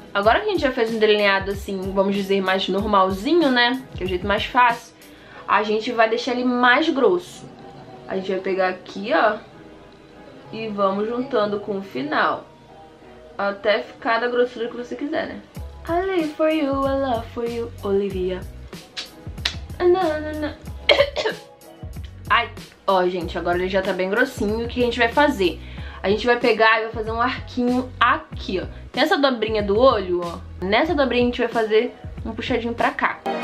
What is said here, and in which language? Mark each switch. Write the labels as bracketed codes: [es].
[pt] Agora que a gente já fez um delineado assim, vamos dizer, mais normalzinho, né? Que é o jeito mais fácil. A gente vai deixar ele mais grosso. A gente vai pegar aqui, ó. E vamos juntando com o final. Até ficar da grossura que você quiser, né? [en] I live for you, I love for you, Olivia. [pt] Ai, ó, gente, agora ele já tá bem grossinho. O que a gente vai fazer? A gente vai pegar e vai fazer um arquinho aqui, ó. Tem essa dobrinha do olho, ó. Nessa dobrinha a gente vai fazer um puxadinho pra cá.